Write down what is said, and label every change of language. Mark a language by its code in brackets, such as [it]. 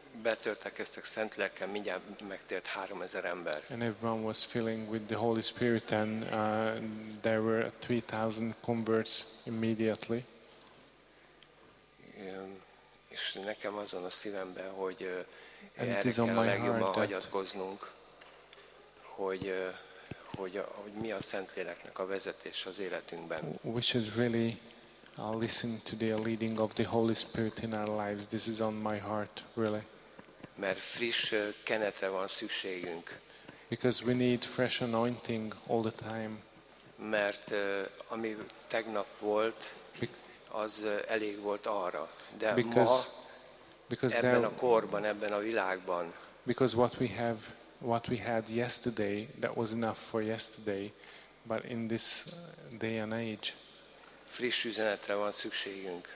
[hu] Betöltekeztek Szentlélekkel, mindjárt megtért 3000 ember. [en] And everyone was filling with the Holy Spirit and there were 3000 converts immediately. [hu] És nekem azon a szívemben, hogy erre kell a legjobban hagyatkoznunk, hogy mi a Szentléleknek a vezetés az életünkben. [en] We should really listen to the leading of the Holy Spirit in our lives. This is on my heart, really. [hu] mert friss kenetre van szükségünk. [en] Because we need fresh anointing all the time. [hu] Mert ami tegnap volt, az elég volt arra, de [en] because [hu] ma ebben a korban, ebben a világban. [en] Because what we had yesterday, that was enough for yesterday, but in this day and age, [hu] friss üzenetre van szükségünk.